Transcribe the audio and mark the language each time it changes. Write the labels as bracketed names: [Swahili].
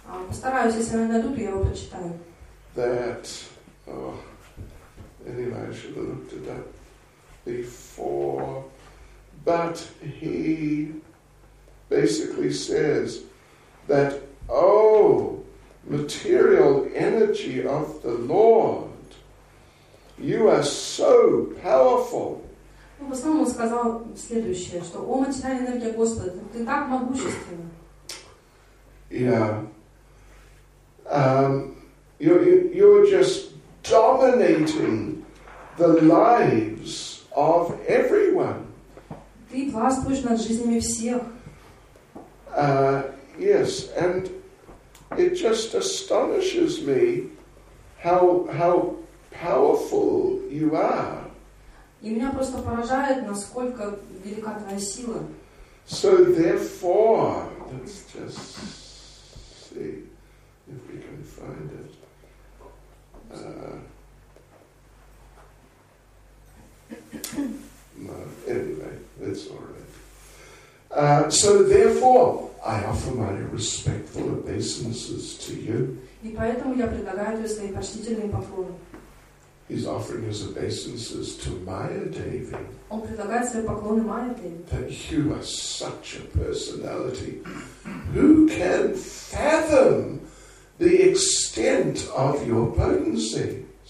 [Russian] Постараюсь, если меня найдут, я его прочитаю. [English] That, oh, anyway, I should have looked it up before. But he basically says that, oh, material energy of the Lord, you are so powerful. [Russian] Ну, в основном он сказал следующее, что о, материальная энергия Господа, ты так могущественна. [English] Yeah. You're just dominating the lives of everyone. [Russian] Ты властвуешь над жизнями всех. [English] Yes, and it just astonishes me how powerful you are. [Russian] И меня просто поражает, насколько велика твоя сила. [English] So therefore, let's just see if we can find it. No, anyway, that's all right. So therefore, I offer my respectful obeisances to you. [Russian] И поэтому я предлагаю тебе свои почтительные поклоны. [English] He's offering his obeisances to Maya Devi. [Russian] Он предлагает свои поклоны Майя Деви. [English] That you are such a personality. Who can fathom the extent of your potencies?